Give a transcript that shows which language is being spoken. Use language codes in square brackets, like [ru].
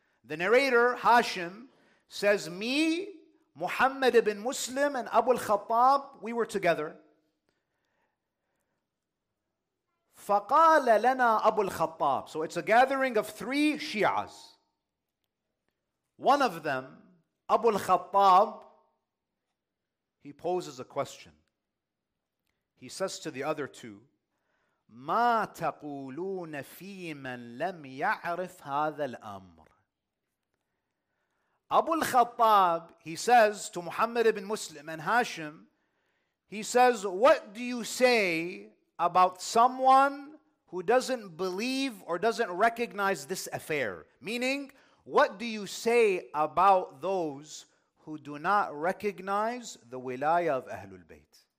[en] The narrator, Hashim, says, me, Muhammad ibn Muslim, and Abu al-Khattab, we were together. [ar] فَقَالَ لَنَا أَبُو الْخَطَّابُ. [en] So it's a gathering of three Shias. One of them, Abu al-Khattab, he poses a question. He says to the other two, [ar] مَا تَقُولُونَ فِي مَنْ لَمْ يَعْرِفْ هَذَا الْأَمْرِ. [en] Abu al-Khattab, he says to Muhammad ibn Muslim and Hashim, he says, what do you say about someone who doesn't believe or doesn't recognize this affair? Meaning, what do you say about those who do not recognize the wilaya of Ahlul Bayt?